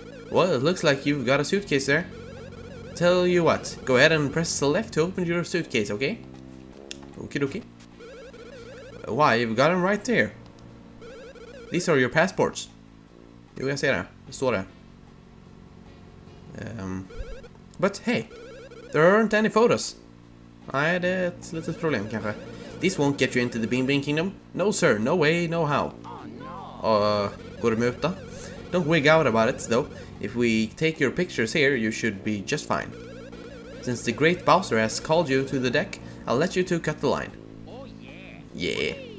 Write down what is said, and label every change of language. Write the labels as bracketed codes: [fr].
[en] Well, it looks like you've got a suitcase there. Tell you what, go ahead and press select to open your suitcase, okay? Okie dokie. Why, you've got them right there. These are your passports. [sv] Jo, jag ser det. Det står det. [en] But hey, there aren't any photos. Nej, det är ett litet problem kanske. This won't get you into the Bean Bean Kingdom. No sir, no way, no how. [sv] Går det muta? [en] Don't wig out about it though. If we take your pictures here, you should be just fine. Since the great Bowser has called you to the deck, I'll let you two cut the line. Oh yeah. Yeah.